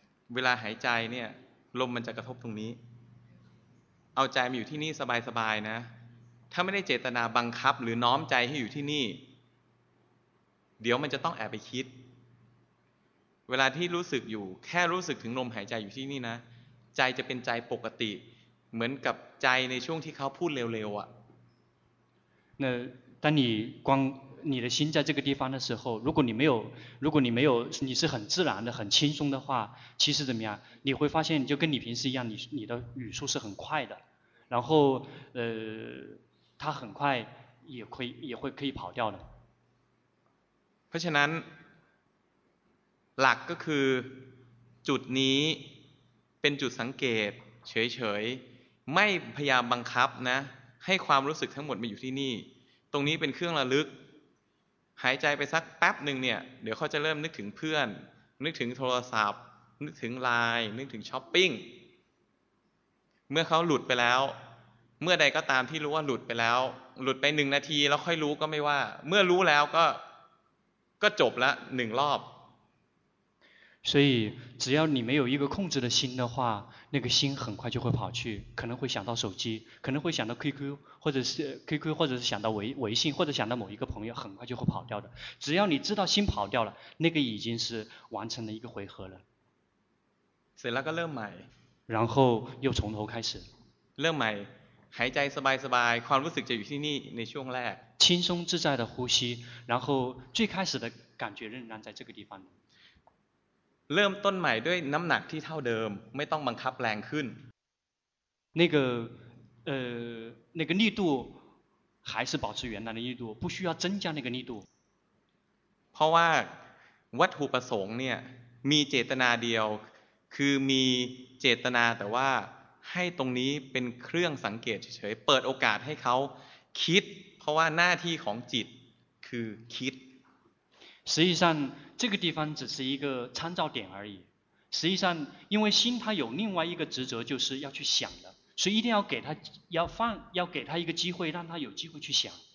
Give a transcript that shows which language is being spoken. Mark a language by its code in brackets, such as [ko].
[th] เวลาหายใจเนี่ยลมมันจะกระทบตรงนี้เอาใจมาอยู่ที่นี่สบายๆนะถ้าไม่ได้เจตนาบังคับหรือน้อมใจให้อยู่ที่นี่เดี๋ยวมันจะต้องแอบไปคิดเวลาที่รู้สึกอยู่แค่รู้สึกถึงลมหายใจอยู่ที่นี่นะใจจะเป็นใจปกติเหมือนกับใจในช่วงที่เขาพูดเร็วๆอ่ะ [zh] 那当你光你的心在这个地方的时候如果你没有你是很自然的很轻松的话其实怎么样你会发现就跟你平时一样你的语速是很快的然后他很快也会可以跑掉的 [th] เพราะฉะนั้นหลักก็คือจุดนี้เป็นจุดสังเกตเฉยๆไม่พยายามบังคับนะให้ความรู้สึกทั้งหมดมาอยู่ที่นี่ตรงนี้เป็นเครื่องระลึกหายใจไปสักแป๊บหนึ่งเนี่ยเดี๋ยวเขาจะเริ่มนึกถึงเพื่อนนึกถึงโทรศัพท์นึกถึงไลน์นึกถึงช้อปปิ้ง เมื่อเขาหลุดไปแล้วเมื่อใดก็ตามที่รู้ว่าหลุดไปแล้วหลุดไปหนึ่งนาทีแล้วค่อยรู้ก็ไม่ว่าเมื่อรู้แล้วก็จบละหนึ่งรอบ [zh] 所以只要你没有一个控制的心的话，那个心很快就会跑去，可能会想到手机，可能会想到 QQ， 或者是 QQ， 或者是想到微信，或者想到某一个朋友，很快就会跑掉的。只要你知道心跑掉了，那个已经是完成了一个回合了。所以那个乐买，然后又从头开始。乐买，还在 [th] สบายสบายความรู้สึกจะอยู่ที่นี่ในช่วงแรก， [zh] 轻松自在的呼吸，然后最开始的感觉仍然在这个地方。 [th] เริ่มต้นใหม่ด้วยน้ำหนักที่เท่าเดิมไม่ต้องบังคับแรงขึ้น [zh] 那个力度还是保持原来的力度不需要增加那个力度 [th] เพราะว่าวัตถุประสงค์เนี่ยมีเจตนาเดียวคือมีเจตนาแต่ว่าให้ตรงนี้เป็นเครื่องสังเกตเฉยๆเปิดโอกาสให้เขาคิดเพราะว่าหน้าที่ของจิตคือคิด [zh] 实际上这个地方只是一个参照点而已。实际上，因为心它有另外一个职责，就是要去想的，所以一定要给它要给它一个机会，让它有机会去想。